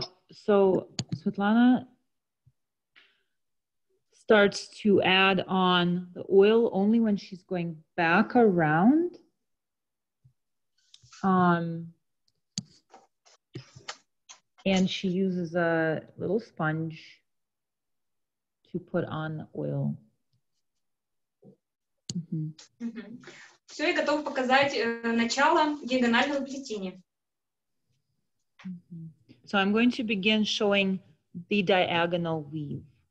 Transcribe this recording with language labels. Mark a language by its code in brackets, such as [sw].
[en] So Svetlana starts to add on the oil only when she's going back around. And she uses a little sponge to put on the oil. [ru] Все, я готов показать начало диагонального плетения. [en] So I'm going to begin showing the diagonal weave.